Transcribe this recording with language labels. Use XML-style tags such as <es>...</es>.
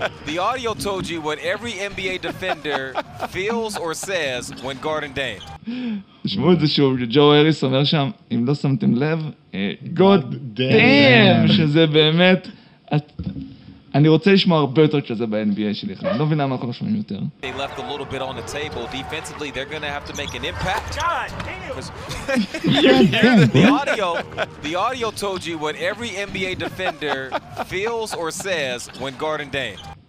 <en>The audio told you what every NBA defender feels or says when guarding Dame.</en> <he>תשמעו את זה שוב, ג'ו הריס אומר שם, אם לא שמתם לב, God damn! שזה באמת... אני רוצה לשמוע הרבה יותר כזה ב-NBA שלי, אני לא מבין למה אנחנו שומעים יותר.</he> <en>They left a little bit on the table. Defensively, they're going to have to make an impact. God damn! The audio told you what every NBA defender feels or says when guarding Dame.</en>